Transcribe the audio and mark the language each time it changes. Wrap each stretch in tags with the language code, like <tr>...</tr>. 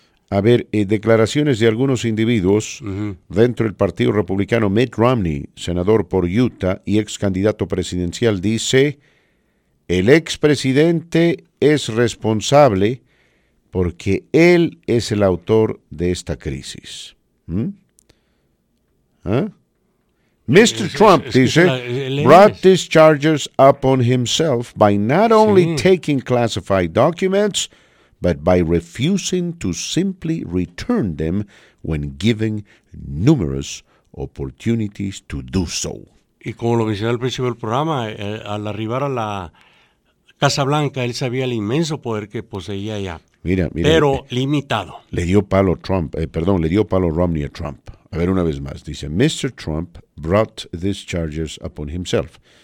<es>A ver, declaraciones de algunos individuos, uh-huh, dentro del Partido Republicano. Mitt Romney, senador por Utah y ex candidato presidencial, dice: el expresidente es responsable porque él es el autor de esta crisis. ¿Mm? ¿Ah? Mr.</es> <en>Trump, dice, brought these charges upon himself by not only taking classified documents, but by refusing to simply return them when given numerous opportunities to do so.</en> <es>Y como lo mencioné al principio del programa, al arribar a la Casa Blanca, él sabía el inmenso poder que poseía ya. Mira, mira. Pero limitado. Le dio palo Romney a Trump. A ver, una vez más, dice: Mr.</es> <en>Trump brought these charges upon himself.</en>